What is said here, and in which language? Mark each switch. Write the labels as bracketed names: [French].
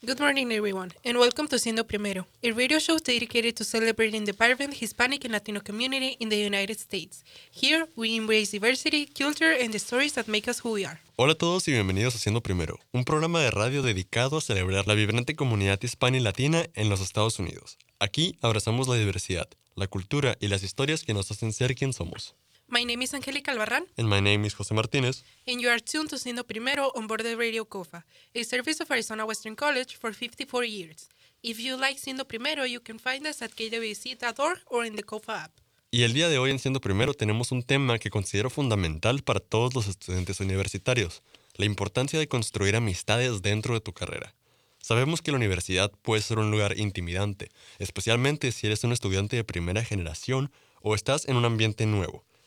[English] Good morning, everyone, and welcome to Siendo Primero, a radio show dedicated to celebrating the vibrant Hispanic and Latino community in the United States. Here, we embrace diversity, culture, and the stories that make us who we are. [Spanish] Hola a todos y bienvenidos a Siendo Primero, un programa de radio dedicado a celebrar la vibrante comunidad hispana y latina en los Estados Unidos. Aquí abrazamos la diversidad, la cultura y las historias que nos hacen ser quien somos. [English] My name is Angelica Albarrán. And my name is José Martínez. And you are tuned to Siendo Primero on board the Radio COFA, a service of Arizona Western College for 54 years. If you like Siendo Primero, you can find us at kwc.org or in the COFA app. [Spanish] Y el día de hoy en Siendo Primero tenemos un tema que considero fundamental para todos los estudiantes universitarios, la importancia de construir amistades dentro de tu carrera. Sabemos que la universidad puede ser un lugar intimidante, especialmente si eres un estudiante de primera generación o estás en un ambiente nuevo.